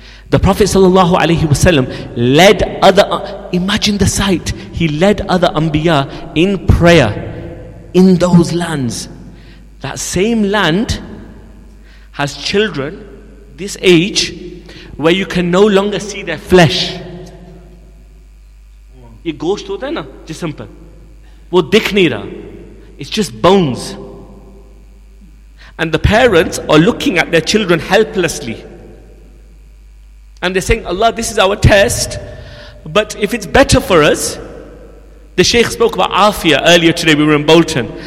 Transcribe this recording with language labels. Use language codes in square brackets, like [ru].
[en] The Prophet sallallahu alaihi wasallam led other, imagine the sight, he led other anbiya in prayer in those lands. That same land has children this age where you can no longer see their flesh. [ur] یہ گوشت ہوتا ہے نا جسم پر وہ دکھ نہیں رہا, [en] it's just bones. And the parents are looking at their children helplessly. And they're saying, Allah, this is our test. But if it's better for us, the Sheikh spoke about Afia earlier today. We were in Bolton.